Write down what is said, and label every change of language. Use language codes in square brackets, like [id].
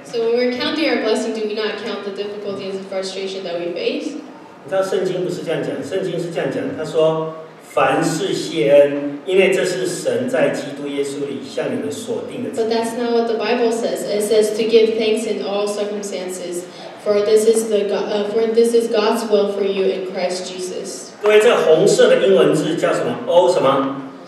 [en] So when we're counting our blessing, do we not count the difficulties and frustration that we face? [zh] 你知道圣经不是这样讲，圣经是这样讲，他说凡事谢恩，因为这是神在基督耶稣里向你们所定的。 [en] But that's not what the Bible says. It says to give thanks in all circumstances, for this is God's will for you in Christ Jesus. [zh] 各位，这红色的英文字叫什么 ？All 什么？